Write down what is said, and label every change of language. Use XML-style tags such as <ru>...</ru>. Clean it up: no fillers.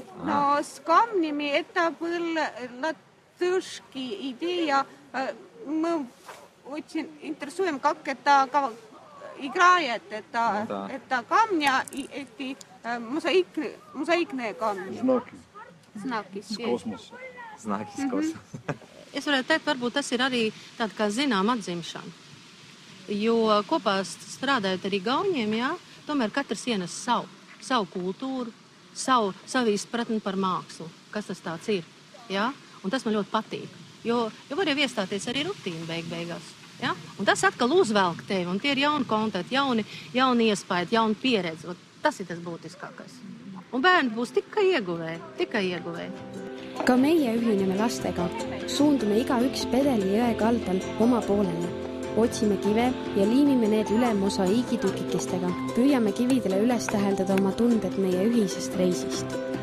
<ru>Но с камнями это была латышская идея. Мы очень интересуем, как это играет. Это, да. Это камни и эти мозаичные камни. Знаки. Знаки из космоса. Mm-hmm.</ru> <lv>Es varētu teikt, varbūt tas ir arī tāda kā zinām atzimšana. Jo kopā strādājot arī gauņiem, jā, tomēr katrs ienes savu kultūru, savu izpratni par mākslu, kas tas tāds ir. Jā? Un tas man ļoti patīk. Jo var jau iestāties arī rutīna beigās. Jā? Un tas atkal uzvelk tevi, un tie ir jauni kontakti, jauni iespaidi, jauni pieredzi. Un tas ir tas būtiskākais. Un bērni būs tikai ieguvē.</lv> <et>Ka meie ühineme lastega, suundume iga üks pedeli jõe kaldal oma poolele. Otsime kive ja liimime need üle mosaiigi tükikestega. Püüame kividele üles täheldada oma tunded meie ühisest reisist.</et>